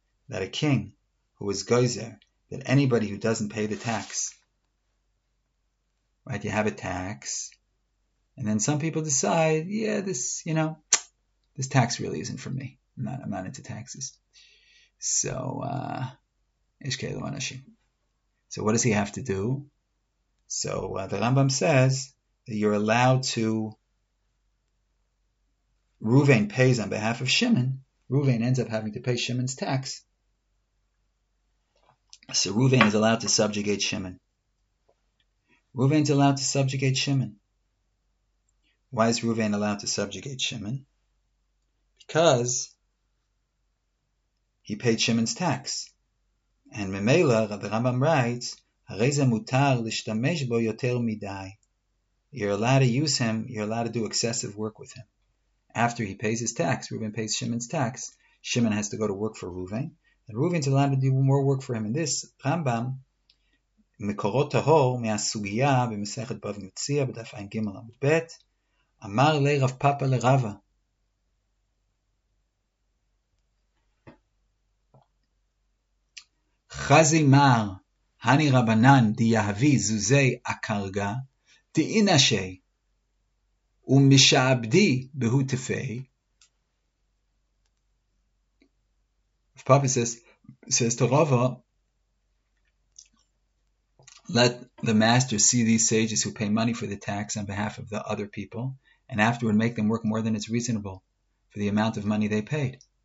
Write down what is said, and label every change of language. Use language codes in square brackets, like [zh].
[en] That a king who is gozer, that anybody who doesn't pay the tax. Right, you have a tax, and then some people decide, yeah, this, you know, this tax really isn't for me. I'm not into taxes. [he] So, יש כאלו אנשים. [en] So what does he have to do? So the Rambam says that you're allowed to, Reuven pays on behalf of Shimon. Reuven ends up having to pay Shimon's tax. So Reuven is allowed to subjugate Shimon. Reuven's allowed to subjugate Shimon. Why is Reuven allowed to subjugate Shimon? Because he paid Shimon's tax. And Memela, the Rambam writes, [he] הרי זה מותר להשתמש בו יותר מדי. [en] You're allowed to use him, you're allowed to do excessive work with him. After he pays his tax, Reuven pays Shimon's tax, Shimon has to go to work for Reuven, and Reuven's allowed to do more work for him. And this, Rambam, [he] מקורות טהור מהסוגיה במסכת בבא מציעא בדף עין גימל עמוד בית, אמר לי רב פאפה לרבה. [arc] חזי מר, הני רבנן, דיהבי זוזי אקרגה, דאינשי, ומשעבדי בהוטפי. [en] Papa says to Rava, let the master see these sages who pay money for the tax on behalf of the other people, and afterward make them work more than it's reasonable for the amount of money they paid.